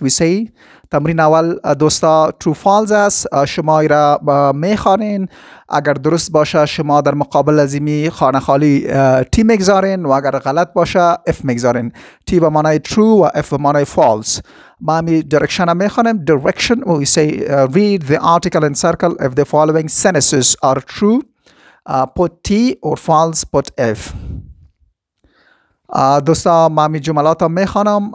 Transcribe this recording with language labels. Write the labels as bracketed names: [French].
[English] We say [Persian] تمرین اول دوستا true false است. شما ای را میخوانین. اگر درست باشه شما در مقابل لازمی خانه خالی تی میگذارین و اگر غلط باشه اف میگذارین. تی به معنای true و اف به معنای false. ما می direction را میخوانیم. [English] Direction, we say read the article and circle if the following sentences are true. Put T or false, put F. [Persian] دوستا ما می جملات را میخوانم.